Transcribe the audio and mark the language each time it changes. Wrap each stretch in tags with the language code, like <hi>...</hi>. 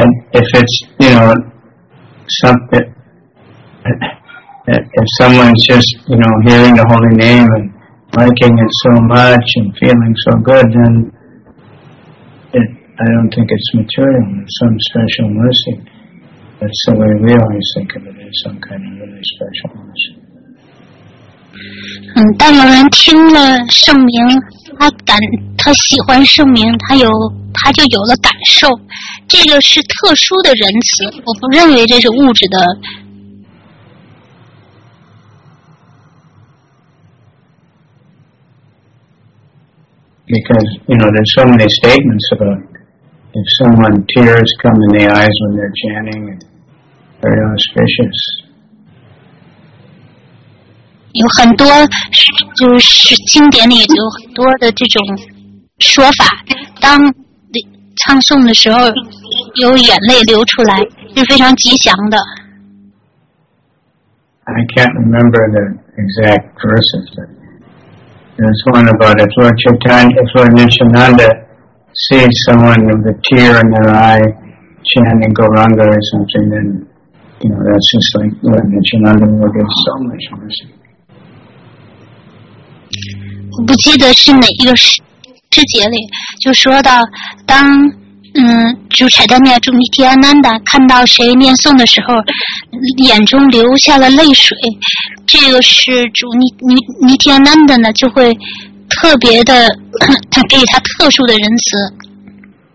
<en>If it's, you know, if someone's just, you know, hearing the Holy Name and liking it so much and feeling so good, then I don't think it's material. It's some special mercy. That's the way we always think of it, as some kind of really special mercy.</en> <zh>但有人听了圣名，他喜欢圣名，他就有了感受，这个是特殊的仁慈，我不认为这是物质的。</zh> <en>Because you know, there's so many statements about if someone tears come in the eyes when they're chanting, very auspicious.</en> <zh>有很多就是经典里有很多的这种说法，当唱诵的时候有眼泪流出来是非常吉祥的。</zh> <en>I can't remember the exact verses. There's one about if Lord Chaitanya, if Lord Nishananda sees someone with a tear in their eye chanting Gauranga or something, then you know, that's just like Lord Nishananda will give so much mercy.</en> <zh>我不记得是哪一个诗节里就说到，当就柴达尼亚朱米提安南达看到谁念诵的时候眼中流下了泪水，这个是朱尼提安南达呢就会特别的给他特殊的仁慈。</zh>